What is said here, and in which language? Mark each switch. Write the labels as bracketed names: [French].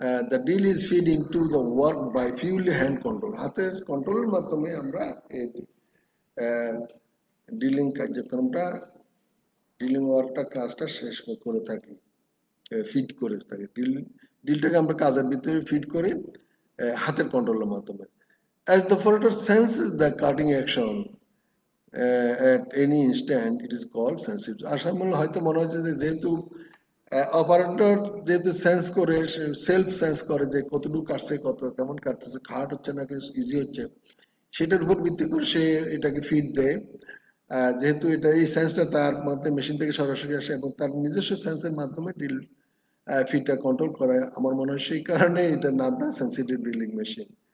[English] The drill is feed into the work by purely hand control. [Bangla] হাতের কন্ট্রোলের মাধ্যমে আমরা এই ড্রিলিং কার্যক্রমটা, ড্রিলিং ওয়ার্কটা, কাজটা শেষ করে থাকি, ফিড করে থাকি। ড্রিলটাকে আমরা কাজের ভিতরে ফিড করি হাতের কন্ট্রোলের মাধ্যমে। [English] As the operator senses the cutting action at any instant, it is called sensitive. [Bangla] আসলে হয়তো মনে হচ্ছে যে যেহেতু অপারেটর যেহেতু সেন্স করে, সেলফ সেন্স করে যে কতটুকু কাটছে, কত কেমন কাটছে, খাট হচ্ছে নাকি ইজি হচ্ছে, সেটার উপর ভিত্তি করে সে এটাকে ফিড দেয়। যেহেতু এটা এই সেন্সটা তার মধ্যে মেশিন থেকে সরাসরি আসে এবং তার নিজস্ব সেন্সের মাধ্যমে ড্রিল ফিডটা কন্ট্রোল করে, আমার মনে হয় সেই কারণে এটার নামটা সেন্সিটিভ ড্রিলিং মেশিন।